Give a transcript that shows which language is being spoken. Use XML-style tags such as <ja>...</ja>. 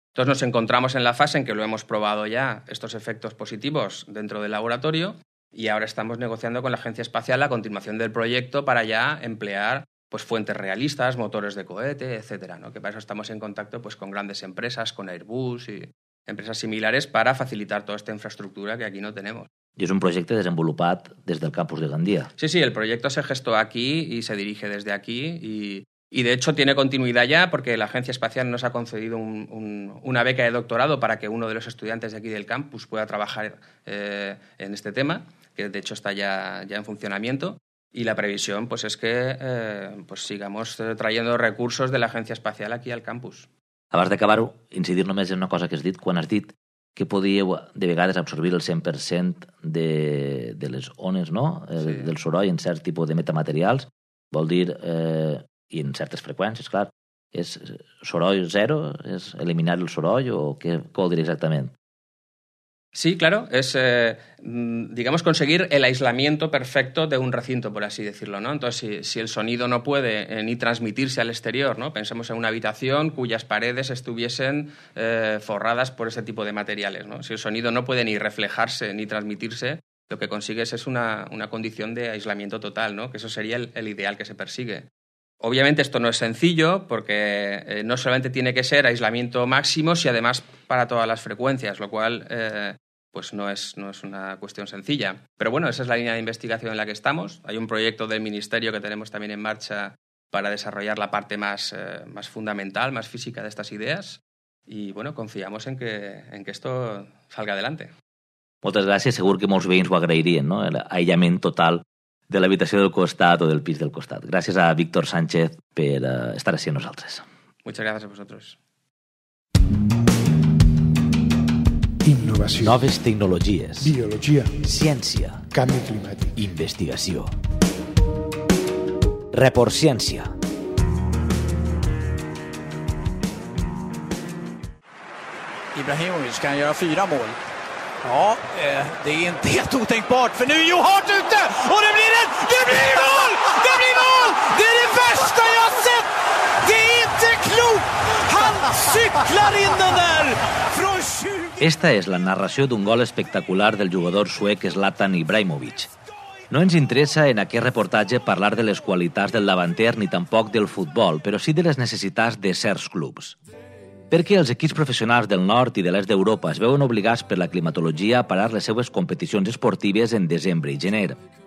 <es>Entonces nos encontramos en la fase en que lo hemos probado ya, estos efectos positivos dentro del laboratorio, y ahora estamos negociando con la Agencia Espacial la continuación del proyecto para ya emplear pues, fuentes realistas, motores de cohete, etcétera, ¿no? Que para eso estamos en contacto pues, con grandes empresas, con Airbus y empresas similares para facilitar toda esta infraestructura que aquí no tenemos.</es> <ca>I és un projecte desenvolupat des del campus de Gandia.</ca> <es>Sí, el proyecto se gestó aquí y se dirige desde aquí y... Y de hecho tiene continuidad ya porque la Agencia Espacial nos ha concedido una beca de doctorado para que uno de los estudiantes de aquí del campus pueda trabajar en este tema, que de hecho está ya en funcionamiento. Y la previsión pues es que sigamos trayendo recursos de la Agencia Espacial aquí al campus.</es> <ca>Abans d'acabar-ho, incidir només en una cosa que has dit. Quan has dit que podíeu de vegades absorbir el 100% de les ones, no? Sí. Del soroll en cert tipus de metamaterials, vol dir... I en certes freqüències, clar, és soroll zero, és eliminar el soroll o què vol dir exactament?</ca> <es>Sí, claro, es, digamos, conseguir el aislamiento perfecto de un recinto, por así decirlo, ¿no? Entonces, si el sonido no puede ni transmitirse al exterior, ¿no? Pensemos en una habitación cuyas paredes estuviesen forradas por ese tipo de materiales, ¿no? Si el sonido no puede ni reflejarse ni transmitirse, lo que consigues es una condición de aislamiento total, ¿no? Que eso sería el ideal que se persigue. Obviamente esto no es sencillo porque no solamente tiene que ser aislamiento máximo, sino además para todas las frecuencias, lo cual no es una cuestión sencilla. Pero bueno, esa es la línea de investigación en la que estamos. Hay un proyecto del Ministerio que tenemos también en marcha para desarrollar la parte más fundamental, más física de estas ideas. Y bueno, confiamos en que esto salga adelante.</es> <ca>Moltes gràcies. Segur que molts veïns ho agrairien, ¿no? El aïllament total de l'habitació del costat o del pis del costat. Gràcies a Víctor Sánchez per estar així amb nosaltres.</ca> <es>Muchas gracias a vosotros.</es> <ca>Innovació. Noves tecnologies. Biologia. Ciència. Canvi climàtic. Investigació. Report Ciència.</ca> <sv>Ibrahimovic kan göra 4 mål. Ja, det är inte helt otänkbart, för nu är Johart ute och det blir mål! Det blir mål! Det är det värsta jag sett! Det är inte klokt! Han cyklar in den där från 20...</sv> <ca>Esta és la narració d'un gol espectacular del jugador suec Zlatan Ibrahimovic. No ens interessa en aquest reportatge parlar de les qualitats del davanter ni tampoc del futbol, però sí de les necessitats de certs clubs. Perquè els equips professionals del nord i de l'est d'Europa es veuen obligats per la climatologia a parar les seues competicions esportives en desembre i gener.</ca>